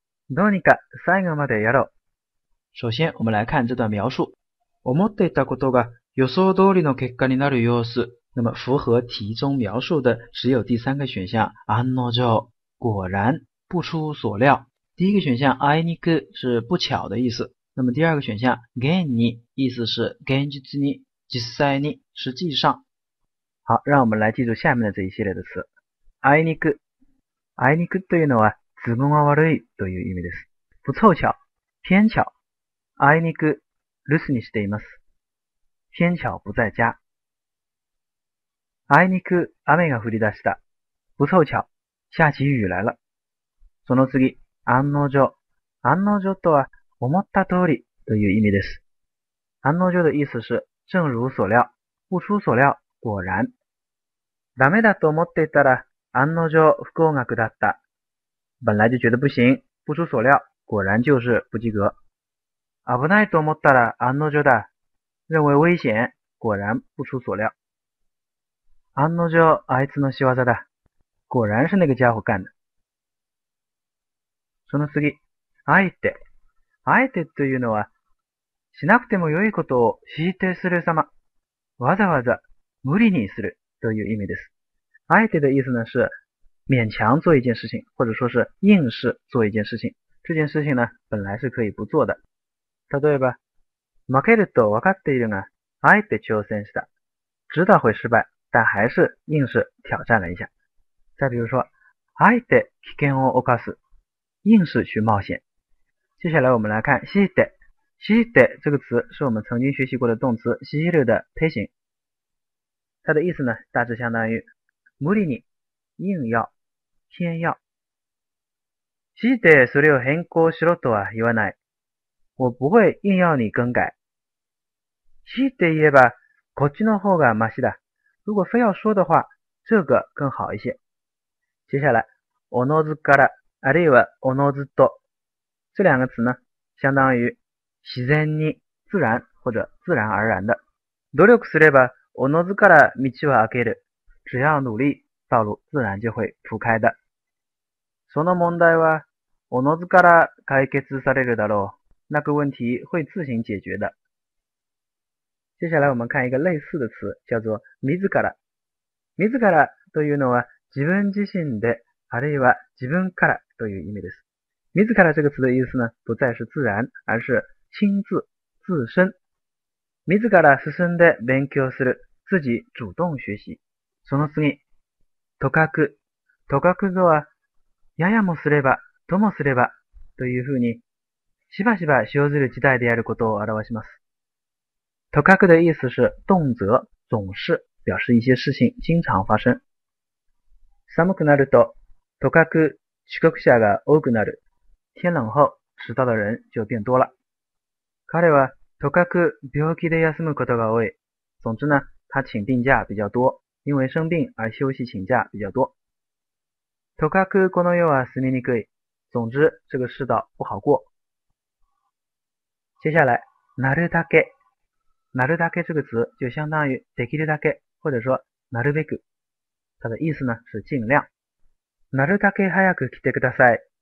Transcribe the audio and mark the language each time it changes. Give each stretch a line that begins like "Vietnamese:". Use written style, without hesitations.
Japanese: どうにか最後までやろう。
Chinese: 首先、我们来看这段描述。
Japanese: 思っていたことが予想通りの結果になる様子。
Chinese: 那么，符合题中描述的只有第三个选项。案の定，果然不出所料。第一个选项，あいにく是不巧的意思。那么第二个选项，現に意思是
Japanese: 現実に、実際に、
Chinese: 实际上。好，让我们来记住下面的这一系列的词。
Japanese: あいにく、あいにくというのは都合が悪いという意味です。
Chinese: 不凑巧、偏巧。
Japanese: あいにく、留守にしています。
Chinese: 偏巧不在家。
Japanese: あいにく、雨が降り出した。
Chinese: 不凑巧、下起雨来了。
Japanese: その次、
Chinese: 案の定。
Japanese: 案の定とは、思った通りという意味です。
Chinese: 案の定的意思是、正如所料。不出所料、果然。
Japanese: ダメだと思っていたら、案の定不合格だった。
Chinese: 本来就觉得不行、不出所料、果然就是不及格。
Japanese: 危ないと思ったら、案の定だ。
Chinese: 认为危险、果然不出所料。
Japanese: 案の定、あいつの仕業だ。
Chinese: 果然是那个家伙干的。
Japanese: その次、あえて。あえてというのは、しなくても良いことを強いてする様。わざわざ、無理にするという意味です。
Chinese: あえて的意思呢是、勉強做一件事情、或者说是、硬是做一件事情。这件事情呢、本来是可以不做的。
Japanese: 例えば、負けると分かっているが、あえて挑戦した。
Chinese: 知道会失敗、但还是硬是挑战了一下。再比如说、
Japanese: あえて危険を冒す。
Chinese: 硬是去冒险。接下来我们来看、強いて。強いて这个词是我们曾经学习过的动词、強いる的忒形。它的意思呢、大致相当于、無理に、硬要、偏要。
Japanese: 強いてそれを変更しろとは言わない。
Chinese: 我不会硬要你更改。
Japanese: 強いて言えば、こっちの方がマシだ。
Chinese: 如果非要说的话、这个更好一些。接下来、
Japanese: おのずから、あるいはおのずと。
Chinese: 这两个词呢，相当于自然に、自然或者自然而然的。
Japanese: 努力すれば、おのずから道は開ける。
Chinese: 只要努力，道路自然就会铺开的。
Japanese: その問題は、おのずから解決されるだろう。
Chinese: 那个问题会自行解决的。接下来我们看一个类似的词，叫做自ら。
Japanese: 自らというのは、自分自身で、あるいは自分からという意味です。
Chinese: 自ら这个词的意思呢，不再是自然，而是亲自、自身。
Japanese: 自ら進んで勉強する、
Chinese: 自己主动学习。
Japanese: その次、とかく。とかくとは、ややもすれば、ともすれば、というふうに、しばしば生ずる事態であることを表します。
Chinese: とかく的意思是、动辄、总是、表示一些事情、经常发生。
Japanese: 寒くなると、とかく、遅刻者が多くなる。
Chinese: 天冷后、迟到的人就变多了。
Japanese: 彼は、とかく、病気で休むことが多い。
Chinese: 总之呢、他请病假比较多、因为生病而休息请假比较多。
Japanese: とかく、この世は住みにくい。
Chinese: 总之、这个世道不好过。接下来、なるだけ。なるだけ这个词、就相当于、できるだけ、或者说、なるべく。它的意思呢、是尽量。
Japanese: なるだけ早く来てください。